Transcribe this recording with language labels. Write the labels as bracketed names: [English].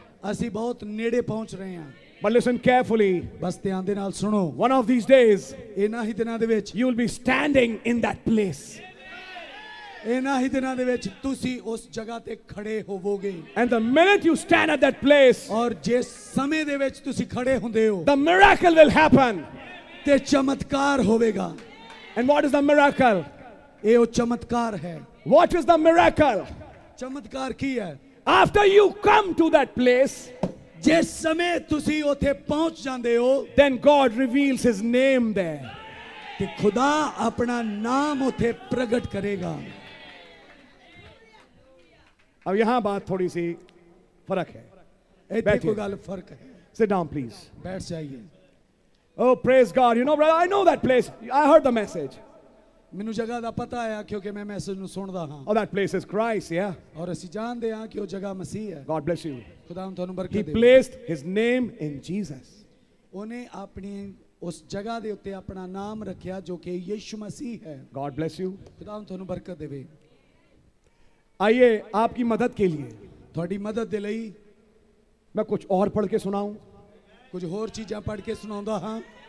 [Punjabi] असी बहुत नेड़े पहुंच रहे हैं. [English] But listen carefully. [Punjabi] बस ध्यान दे नाल सुनो. [English] One of these days. [Punjabi] इना ही दिनां दे विच. [English] You will be standing in that place. [Punjabi] इना ही दिनां दे विच तुसी उस जगह ते खड़े होवोगे. [English] And the minute you stand at that place. [Punjabi] और जिस समय दे विच तुसी खड़े हुंदे हो. [English] The miracle will happen. [Punjabi] ते चमत्कार होवेगा. [English] And what is the miracle? [Punjabi] ए ओ चमत्कार है. [English] What is the miracle? [Punjabi] चमत्कार की है. [English] After you come to that place. [Punjabi] जिस समय तुसी उथे पहुंच जांदे हो. [English] Then God reveals his name there. [Punjabi] कि खुदा अपना नाम उथे प्रगट करेगा। [Hindi] अब यहां बात थोड़ी सी फर्क है, [Punjabi] देखो गल फर्क है। [English] Sit down, please. [Hindi] बैठ जाइए। [English] Oh, praise God. You know, brother, I know that place. I heard the message. [Punjabi] मैनू जगह दा पता आया क्योंकि मैं मैसेज नु सुनदा हां। [English] Oh, that place is Christ, yeah. [Punjabi] और असि जानदे हां कि ओ जगह मसीह है। [English] God bless you. [Punjabi] खुदा तुहानू बरकत दे। [English] He placed his name in Jesus. [Punjabi] ओने अपनी उस जगह दे उत्ते अपना नाम रखिया जो कि यीशु मसीह है। [English] God bless you. [Punjabi] खुदा तुहानू बरकत देवे। [Hindi] आइए आपकी मदद के लिए, [Punjabi] थोड़ी मदद दे लई [Hindi] मैं कुछ और पढ़ के सुनाऊं, [Punjabi] कुछ और चीजें पढ़ के सुनाऊंगा हां,